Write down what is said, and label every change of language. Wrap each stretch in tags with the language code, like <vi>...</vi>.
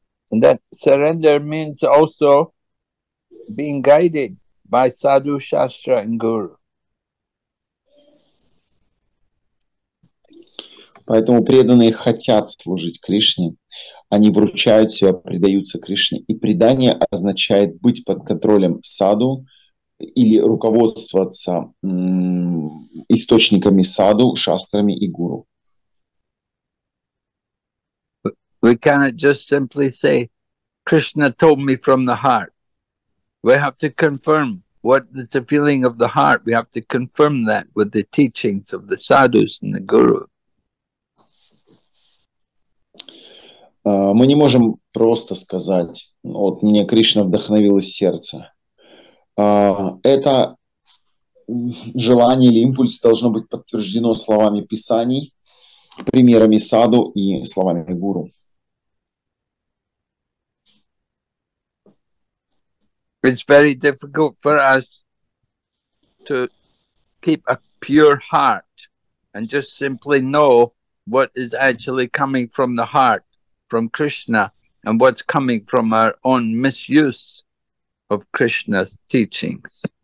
<en>And that surrender means also being guided by Sadhu, Shastra and Guru.</en> <ru>Поэтому преданные хотят служить Кришне. Они вручают себя, предаются Кришне. И предание означает быть под контролем саду или руководствоваться источниками саду, шастрами и гуру.</ru> <en>We cannot just simply say, Krishna told me from the heart. We have to confirm what is the feeling of the heart. We have to confirm that with the teachings of the sadhus and the guru.</en> <ru>Мы не можем просто сказать, вот мне Кришна вдохновил из сердца. Это желание или импульс должно быть подтверждено словами Писаний, примерами саду и словами гуру.</ru> <en>It's very difficult for us to keep a pure heart and just simply know what is actually coming from the heart, from Krishna, and what's coming from our own misuse of Krishna's teachings.</en>